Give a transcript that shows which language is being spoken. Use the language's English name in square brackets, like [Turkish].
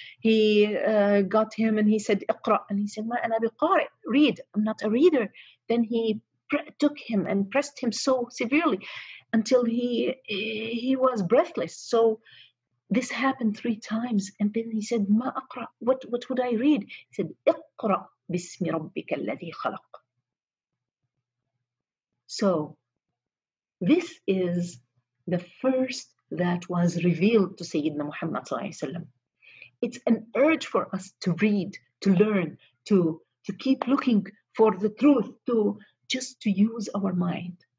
[English] He got him and he said, اقرأ. And he said, [Arabic] ما أنا بقارئ, [English] read, I'm not a reader. Then he took him and pressed him so severely until he was breathless. So this happened 3 times. And then he said, [Arabic] ما أقرأ, [English] what would I read? He said, [Arabic] اقرأ بسم ربك الذي خلق. [English] So this is the first that was revealed to Sayyidina Muhammad sallallahu alayhi wa sallam. It's an urge for us to read, to learn, to keep looking for the truth, to just to use our mind.